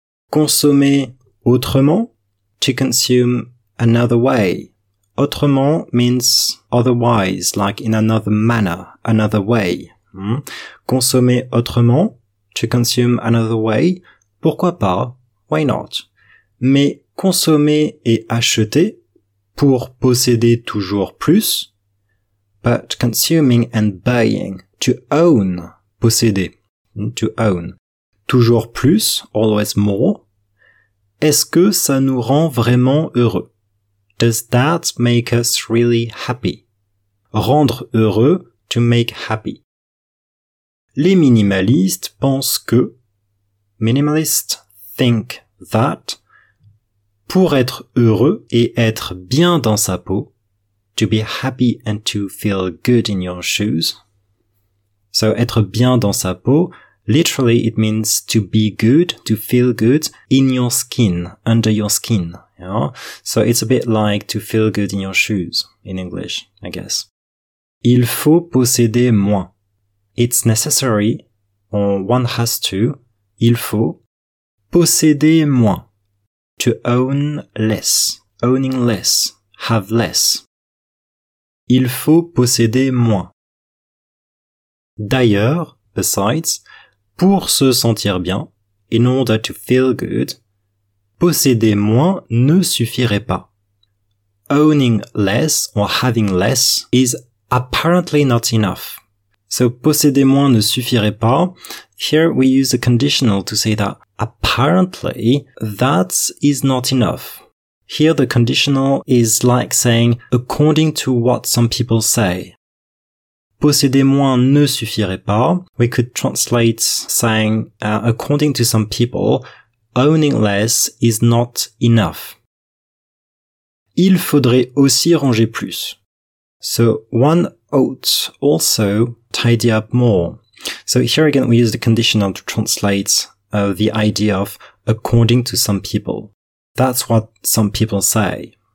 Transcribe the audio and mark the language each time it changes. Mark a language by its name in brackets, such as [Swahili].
[French] Consommer autrement, [English] to consume another way. Autrement means otherwise, like in another manner, another way. [French] Consommer autrement, [English] to consume another way. [French] Pourquoi pas? [English] Why not? [French] Mais consommer et acheter pour posséder toujours plus. [English] But consuming and buying, to own, posséder, to own. [French] Toujours plus, [English] always more. [French] Est-ce que ça nous rend vraiment heureux? [English] Does that make us really happy? [French] Rendre heureux, [English] to make happy. [French] Les minimalistes pensent que, [English] minimalists think that, [French] pour être heureux et être bien dans sa peau, [English] to be happy and to feel good in your shoes. So, [French] être bien dans sa peau, [English] literally it means to be good, to feel good in your skin, under your skin. You know? So, it's a bit like to feel good in your shoes, in English, I guess. [French] Il faut posséder moins. [English] It's necessary, or one has to, [French] il faut posséder moins. [English] To own less, owning less, have less. [French] Il faut posséder moins. D'ailleurs, [English] besides, [French] pour se sentir bien, [English] in order to feel good, [French] posséder moins ne suffirait pas. [English] Owning less or having less is apparently not enough. [French] So, posséder moins ne suffirait pas. [English] Here we use a conditional to say that apparently that is not enough. Here the conditional is like saying according to what some people say. [French] Posséder moins ne suffirait pas. [English] We could translate saying according to some people, owning less is not enough. [French] Il faudrait aussi ranger plus. [English] So one ought also tidy up more. So here again we use the conditional to translate the idea of according to some people. That's what some people say.